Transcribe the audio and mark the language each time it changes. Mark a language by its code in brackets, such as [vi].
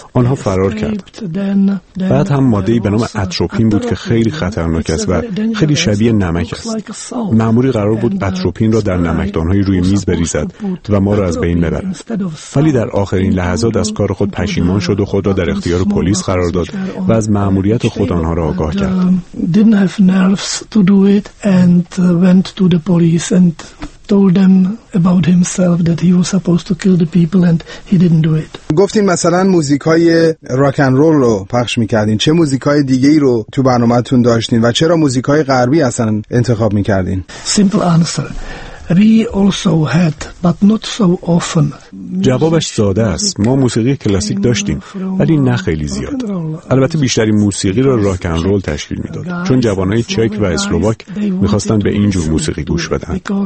[fa] آنها فرار کردند. بعد هم ماده‌ای به نام اتروپین بود که خیلی خطرناک است و خیلی شبیه نمک است. مأموری قرار بود اتروپین را در نمکدان‌های روی میز بریزد و ما را از بین ببرد ولی در آخرین لحظات از کار خود پشیمان شد و خود را در اختیار پلیس قرار داد و از مأموریت خود آنها را آگاه کرد. [en] Didn't have nerves to do it and went to the police and told them about himself that he was supposed to kill the people and he didn't do it. [fa] گفتین مثلا موزیکای راک اند رول رو پخش می‌کردین، چه موزیکای دیگه‌ای رو تو برنامه‌تون داشتین و چرا موزیکای غربی اصلا انتخاب می‌کردین؟ [en] Simple answer. We also had, but not so often. [fa] جوابش ساده است. ما موسیقی کلاسیک داشتیم ولی نه خیلی زیاد. البته بیشتری موسیقی را راک اند رول تشکیل میداد چون جوانای چک و اسلوواک میخواستن به این جور موسیقی گوش بدن.